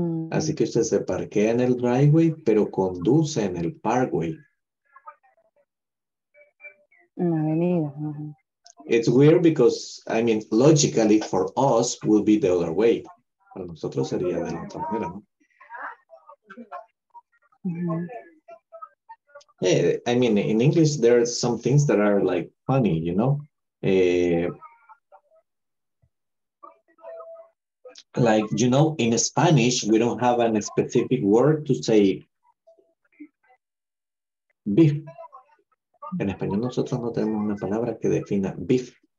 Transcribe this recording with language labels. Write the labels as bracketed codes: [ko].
[es] Así que usted se parquea en el driveway, pero conduce en el parkway. En la avenida. [en] It's weird because, I mean, logically for us would be the other way. [es] Para nosotros sería de la otra manera, ¿no? [en] I mean, in English, there are some things that are like funny, you know? Like, you know, in Spanish, we don't have a specific word to say beef. [es] En español nosotros no tenemos una palabra que defina beef.